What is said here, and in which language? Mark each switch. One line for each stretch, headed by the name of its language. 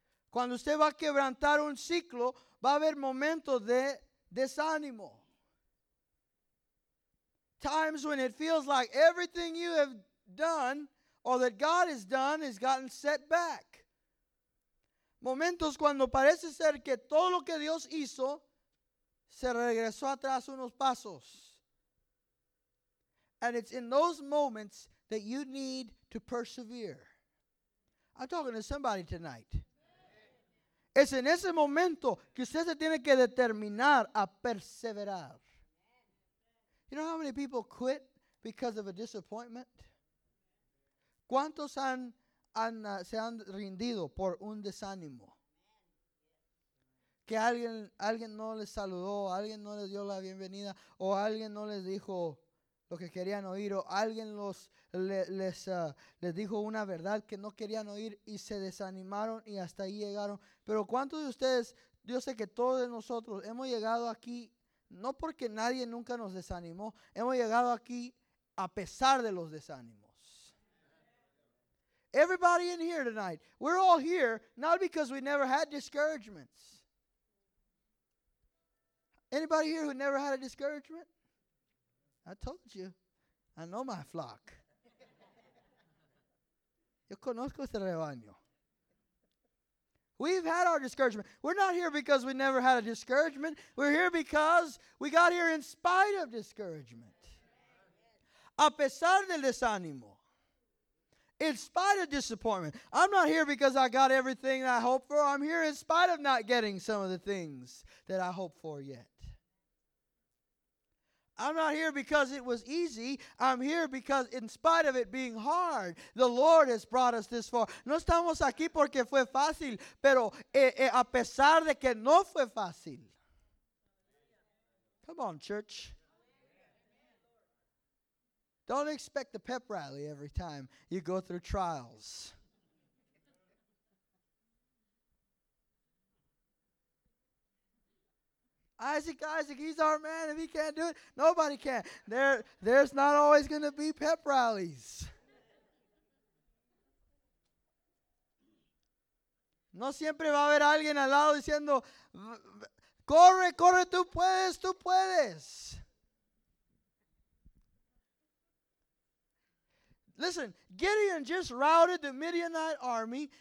Spanish: Cuando usted va a quebrantar un ciclo, va a haber momentos de desánimo.
English: Times when it feels like everything you have done or that God has done has gotten set back.
Spanish: Momentos cuando parece ser que todo lo que Dios hizo se regresó atrás unos pasos.
English: And it's in those moments that you need to persevere. I'm talking to somebody tonight.
Spanish: Es en ese momento que usted se tiene que determinar a perseverar.
English: You know how many people quit because of a disappointment?
Spanish: ¿Cuántos se han rendido por un desánimo? que alguien no les saludó, alguien no les dio la bienvenida, o alguien no les dijo lo que querían oír, o alguien les dijo una verdad que no querían oír y se desanimaron y hasta ahí llegaron. Pero ¿cuántos de ustedes? Yo sé que todos de nosotros hemos llegado aquí no porque nadie nunca nos desanimó, hemos llegado aquí a pesar de los desánimos.
English: Everybody in here tonight, we're all here not because we never had discouragements. Anybody here who never had a discouragement? I told you, I know my flock.
Spanish: Yo conozco este rebaño.
English: We've had our discouragement. We're not here because we never had a discouragement. We're here because we got here in spite of discouragement.
Spanish: A pesar del desánimo.
English: In spite of disappointment. I'm not here because I got everything that I hoped for. I'm here in spite of not getting some of the things that I hoped for yet. I'm not here because it was easy. I'm here because in spite of it being hard, the Lord has brought us this far.
Spanish: No estamos aquí porque fue fácil, pero a pesar de que no fue fácil.
English: Come on, church. Don't expect a pep rally every time you go through trials. Isaac, he's our man. If he can't do it, nobody can. There's not always going to be pep rallies.
Spanish: No siempre va a haber alguien al lado diciendo, corre, corre, tú puedes.
English: Listen, Gideon just routed the Midianite army.